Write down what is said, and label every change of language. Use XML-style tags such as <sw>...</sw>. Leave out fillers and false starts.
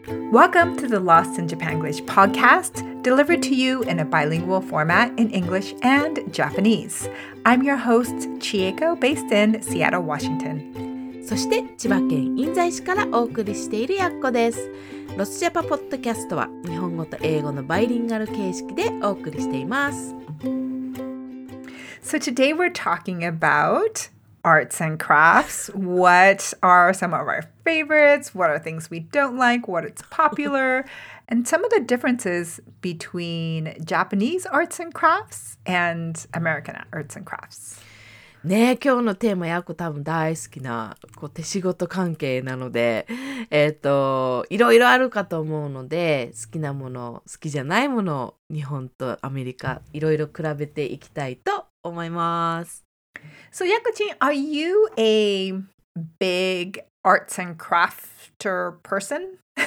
<en>Welcome to the Lost in Japanglish podcast, delivered to you in a bilingual format in English and Japanese. I'm your host, Chieko, based in Seattle, Washington.</en> <ja>そして千葉県印西市からお送りしているやっこです。ロスジャパポッドキャストは日本語と英語のバイリンガル形式でお送りしています。</ja> <en>So today we're talking about arts and crafts. What are some of our favorites? What are things we don't like? What is popular? And some of the differences between Japanese arts and crafts and American arts and crafts.</en> <ja>ね、今日のテーマやこ多分大好きなこう手仕事関係なのでいろいろあるかと思うので好きなもの好きじゃないものを日本とアメリカいろいろ比べていきたいと思います。</ja> <en>So Yakuchin, are you a big arts and crafter person?</en>